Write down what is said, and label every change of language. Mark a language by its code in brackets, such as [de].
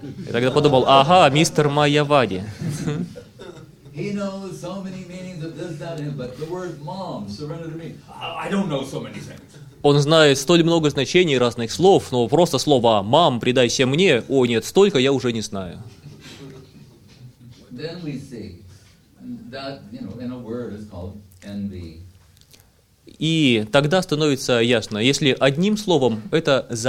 [ru] Я тогда подумал, ага, мистер Майявади. [en] He knows so many meanings of this, that, him, but the word mom, surrender to me, I don't know so many things. [ru] Он знает столь много значений разных слов, но просто слово «мам», «предайся мне», о нет, столько я уже не знаю. [en] Then we see. [ru] И тогда становится ясно, если одним словом это